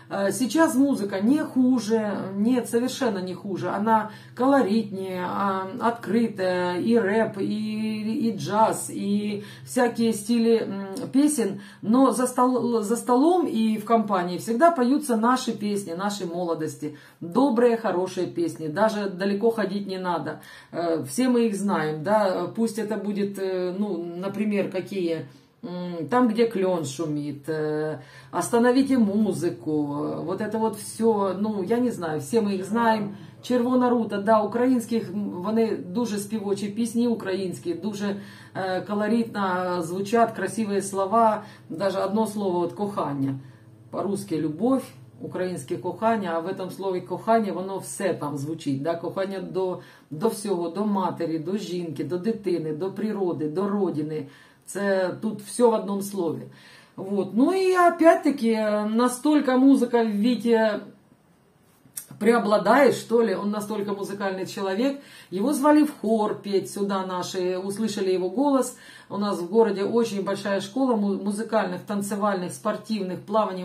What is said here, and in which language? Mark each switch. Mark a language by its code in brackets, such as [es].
[ru] Сейчас музыка не хуже, нет, совершенно не хуже, она колоритнее, открытая, и рэп, и джаз, и всякие стили песен, но за столом и в компании всегда поются наши песни, нашей молодости, добрые, хорошие песни, даже далеко ходить не надо, все мы их знаем, да, пусть это будет, ну, например, какие... «Там, где клен шумит», «Остановите музыку», вот это вот все, ну, я не знаю, все мы их знаем. [uk] «Червона рута», да, українських, вони дуже співочі, пісні українські, дуже колоритно звучат, [ru] красивые слова, даже одно слово, [uk] от «кохання», по-русски «любовь», українське «кохання», а в этом слові «кохання» воно все там звучить, да, «кохання» до всього, до матері, до жінки, до дитини, до природи, до родини. [ru] Це тут все в одном слове. Вот. Ну и опять-таки, настолько музыка в Вите преобладает, что ли, он настолько музыкальный человек. Его звали в хор петь сюда наши, услышали его голос. У нас в городе очень большая школа музыкальных, танцевальных, спортивных, плаваний.